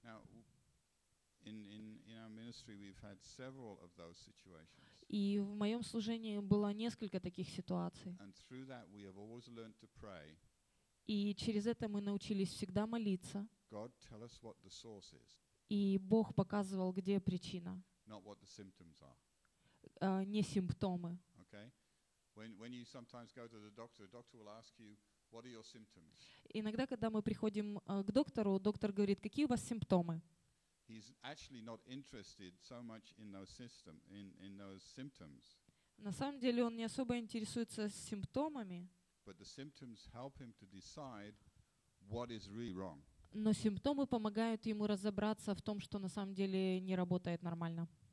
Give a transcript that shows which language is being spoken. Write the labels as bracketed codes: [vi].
[en] Now, in our ministry we've had several of those situations. [ru] И в моем служении было несколько таких ситуаций. [en] And through that we have always learned to pray. [ru] И через это мы научились всегда молиться. [en] God tell us what the source is. [ru] И Бог показывал, где причина. [en] Not what the symptoms are. [ru] Не симптомы. Okay. [en] When you sometimes go to the doctor will ask you, what are your symptoms? [ru] Иногда, когда мы приходим к доктору, доктор говорит, какие у вас симптомы? [en] He's actually not interested so much in those system in those symptoms. [ru] На самом деле он не особо интересуется симптомами. [en] But the symptoms help him to decide what is really wrong. [ru] Но симптомы помогают ему разобраться в том, что на самом деле не работает нормально.